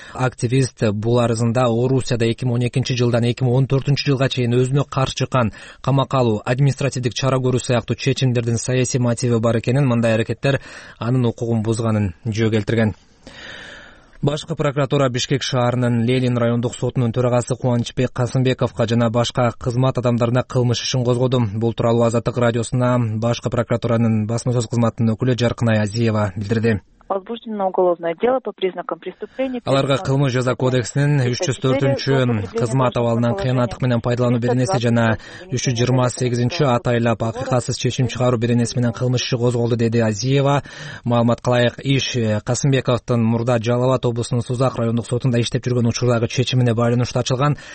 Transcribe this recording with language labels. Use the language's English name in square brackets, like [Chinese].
[Kyrgyz] Активист бул арызында Орусияда 2012 жылдан 2014 жылга чейин өзүнө каршы чыккан камакка алуу, административдик чара көрүү сыяктуу чечимдердин саясий мотиви бар экенин, мындай аракеттер анын укугун бузганын жөө келтирген. Башкы прокуратура Бишкек шаарынын Лелин райондук сотунун төрагасы Кубанычбек Касымбековго жана башка кызмат адамдарына кылмыш ишин козгоду. Бул тууралуу Азаттык радиосуна башкы прокуратуранын басма сөз кызматынын өкүлү Жаркынай Азиева билдирди. [Russian] Возбуждено уголовное дело по признакам преступления. [Kyrgyz] Аларга кылмыш жаза кодексинин 304-чү кызмат абалынан кыянаттык менен пайдалануу беренеси жана 328-чү атайылап акыйкатсыз чечим чыгаруу беренеси менен кылмыш иши козголду, деди Азиева. Маалымат кылайык, иш Касымбековдун мурда Жалал Абад облусунун Сузак райондук сотунда иштеп жүргөн учурдагы чечимине байланыштуу ачылган.